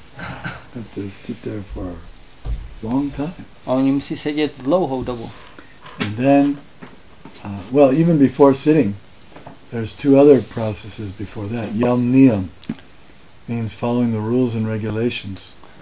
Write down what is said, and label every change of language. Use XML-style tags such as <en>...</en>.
<en>You have to sit there for a long time.</en> <cs>A oni musí sedět dlouhou dobu.</cs> <en>And then, well, even before sitting, there's two other processes before that. Yam Niyam means following the rules and regulations.</en>